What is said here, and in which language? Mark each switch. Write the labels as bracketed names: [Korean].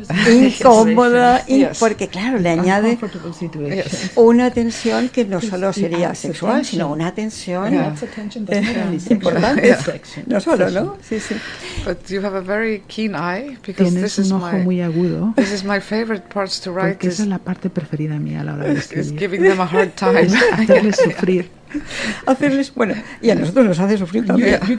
[Spanish] Incómoda, porque claro, le añade una tensión que no solo sería sexual, sino una tensión importante. No solo, ¿no? Sí, sí. [English] But you have a very keen eye, because [Spanish] tienes un ojo muy agudo. [English] This is my favorite part to write. [Spanish] Porque esa es la parte preferida mía a la hora de escribir. [English] It's giving them a hard time. [Spanish] Hacerles sufrir. Hacerles, bueno, y a nosotros nos hace sufrir también.